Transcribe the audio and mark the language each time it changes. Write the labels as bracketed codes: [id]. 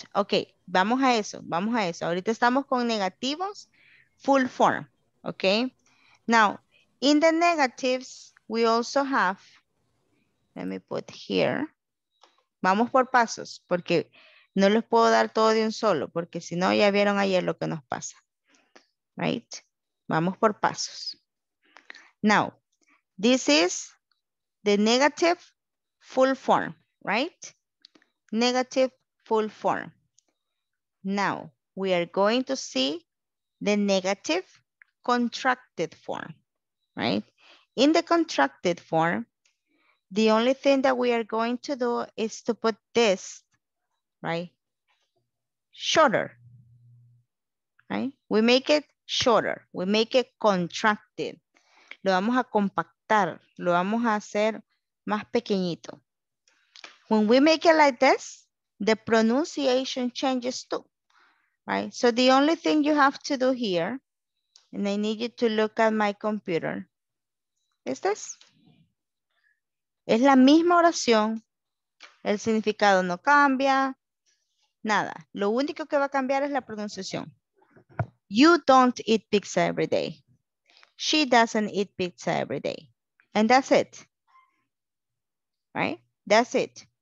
[es] Ok, vamos a eso. Vamos a eso. Ahorita estamos con negativos, full form. Ok. [en] Now, in the negatives, we also have, let me put here. [es] Vamos por pasos, porque no les puedo dar todo de un solo, porque si no, ya vieron ayer lo que nos pasa. Right? Vamos por pasos. [en] Now, this is the negative full form, right? Negative full form. Now, we are going to see the negative contracted form, right? In the contracted form, the only thing that we are going to do is to put this, right? Shorter, right? We make it shorter. We make it contracted. [es] Lo vamos a compactar, lo vamos a hacer más pequeñito. [en] When we make it like this, the pronunciation changes too, right? So the only thing you have to do here, and I need you to look at my computer, is this. [es] Es la misma oración, el significado no cambia, nada. Lo único que va a cambiar es la pronunciación. [en] You don't eat pizza every day. She doesn't eat pizza every day. And that's it. Right? That's it.